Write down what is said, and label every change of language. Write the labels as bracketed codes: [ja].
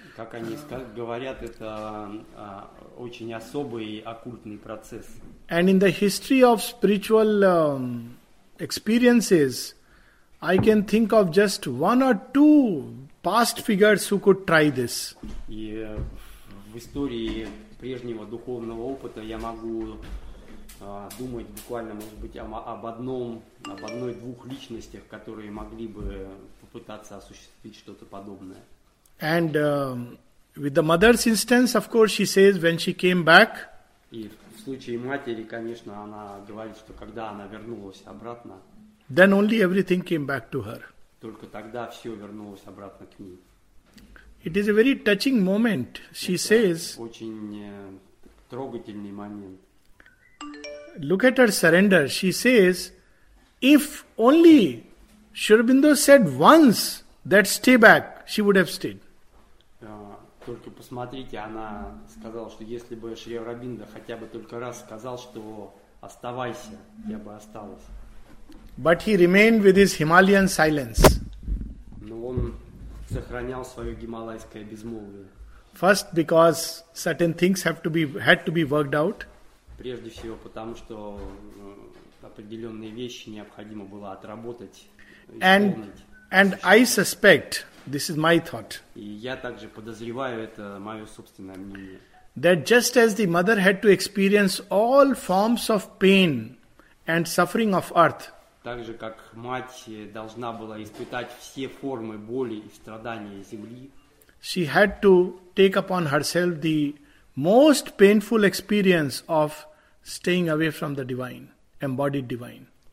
[ru] как они говорят, это очень особый оккультный процесс. [en] And in the history of spiritual experiences, I can think of just one or two past figures who could try this. [ru] И в истории прежнего духовного опыта я могу думать буквально, может быть, об одной-двух личностях, которые могли бы попытаться осуществить что-то подобное. [en] And with the mother's instance, of course, she says when she came back. [ru] И в случае матери, конечно, она говорит, что когда она вернулась обратно. [en] Then only everything came back to her. [ru] Только тогда все вернулось обратно к ней. [en] It is a very touching moment, she [ru] Это [en] says. [ru] Очень трогательный момент. [en] Look at her surrender. She says, if only Shri Aurobindo said once that stay back, she would have stayed. [ru] Только посмотрите, она сказала, что если бы Шри Аурабиндо хотя бы только раз сказал, что оставайся, я бы осталась. [en] But he remained with his Himalayan silence. [ru] Но он сохранял свое гималайское безмолвие. [en] First, because certain things had to be worked out. [ru] Прежде всего, потому что определенные вещи необходимо было отработать. [en] And I suspect, this is my thought. [ru] И я также подозреваю, это мое собственное мнение. [en] That just as the mother had to experience all forms of pain and suffering of earth. [ru] Так же, как мать должна была испытать все формы боли и страдания земли. [en] She had to take upon herself the most painful experience of staying away from the divine, embodied divine.